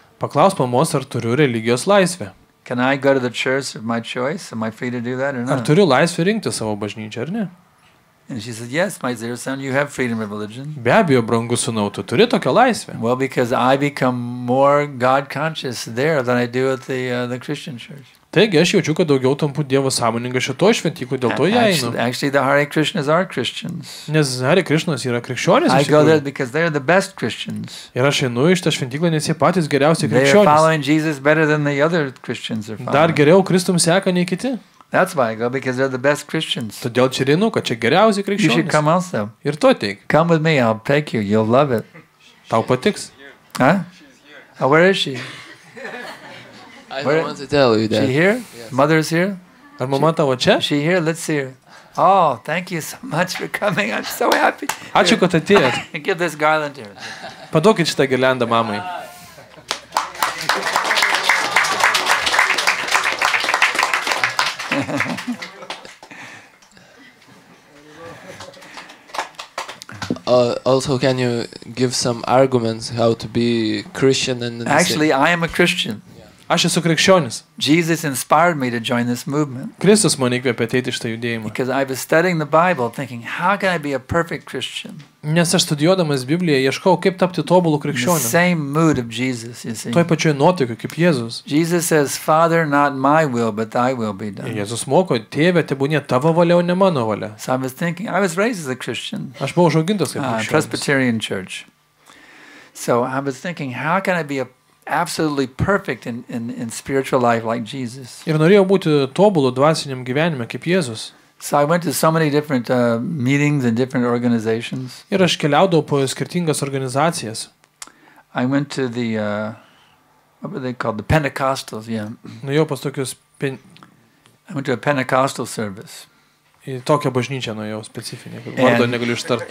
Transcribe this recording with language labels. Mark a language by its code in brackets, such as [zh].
[lt] Paklaus mamos, ar turiu religijos laisvę. [en] Can I go to the church of my choice? Am I free to do that or not? [lt] Ar turiu laisvę rinkti savo bažnyčią, ar ne? [en] And she said, yes, my dear son, you have freedom of religion. [lt] Be abejo, brangus sūnau, tu turi tokią laisvę. [en] Well, because I become more God-conscious there than I do at the Christian church. [lt] Taigi, aš jaučiu, kad daugiau tampu Dievo sąmoningą šitoj šventyku, dėl to jai einu. [en] Actually, the Hare Krishnas are Christians. [lt] Nes Hare Krishnas yra krikščionis. [en] I go there because they are the best Christians. [lt] Ir aš einu iš tą šventyklą, nes jie patys geriausiai krikščionis. [en] They are following Jesus better than the other Christians are following. [lt] Dar geriau Kristum seka nei kiti. [en] That's why I go, because they're the best Christians. [lt] Todėl čia einu, kad čia geriausiai krikščionis. [en] You should come also. [lt] Ir tu ateik. [en] Come with me, I'll take you, you'll love it. [lt] Tau patiks. [en] Huh? Where is she? I don't want to tell you that. She here? Yes. Mother is here? [lt] Ar mama tavo čia? [en] She here? Let's see her. Oh, thank you so much for coming. I'm so happy. [lt] Ačiū, kad atėjot. [en] Give this garland here. [lt] Paduokit šitą girlandą mamai. [en] Also, can you give some arguments how to be Christian? And actually, I am a Christian. [lt] Aš esu krikščionis. [en] Jesus inspired me to join this movement. [lt] Kristus mane įkvėpė ateiti į šitą judėjimą. [en] Because I was studying the Bible thinking, how can I be a perfect Christian? [lt] Nes aš studijuodamas Bibliją ieškau, kaip tapti tobulu krikščioniu. [en] The same mood of Jesus, you see. [lt] Toj pačioj nuotaikoj kaip Jėzus. [en] Jesus says, Father, not my will, but thy will be done. [lt] Jėzus moko, Tėve, tebūnie tavo valia, o ne mano valia. [en] So I was thinking, I was raised as a Christian. [lt] Aš buvau užaugintas kaip krikščionis. [en] Presbyterian church. So I was thinking, how can I be a absolutely perfect in spiritual life like Jesus. [lt] Ir norėjau būti tobulu dvasiniam gyvenime kaip Jėzus. [en] So I went to so many different meetings and different organizations. [lt] Ir aš keliaudavau po skirtingas organizacijas. [en] I went to the what were they called, the Pentecostals, yeah. [lt] Nuėjau pas tokius [en] I went to a Pentecostal service. [lt] Į tokią bažnyčią nuėjau specifinę, vardo negaliu ištart.